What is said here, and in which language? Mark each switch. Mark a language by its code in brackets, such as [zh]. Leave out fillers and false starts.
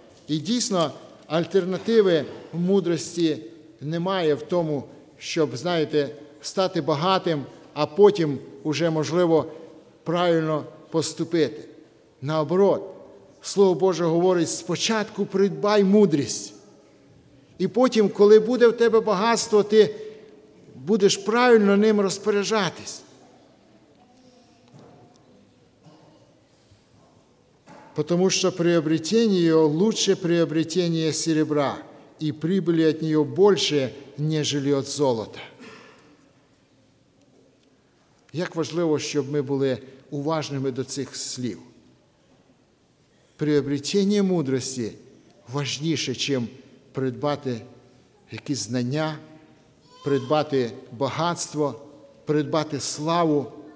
[uk] І дійсно, альтернативи мудрості немає в тому, щоб, знаєте, стати багатим, а потім уже, можливо, правильно поступити. [ru] Наоборот, [uk] Слово Боже говорить, спочатку придбай мудрість. І потім, коли буде в тебе багатство, ти будеш правильно ним розпоряджатись. [ru] потому что приобретение ее лучше приобретения серебра, и прибыли от нее больше, нежели от золота. [uk] Як важливо, щоб ми були уважними до цих слів. Приобретення мудрості важніше, ніж придбати якісь знання, придбати багатство, придбати славу.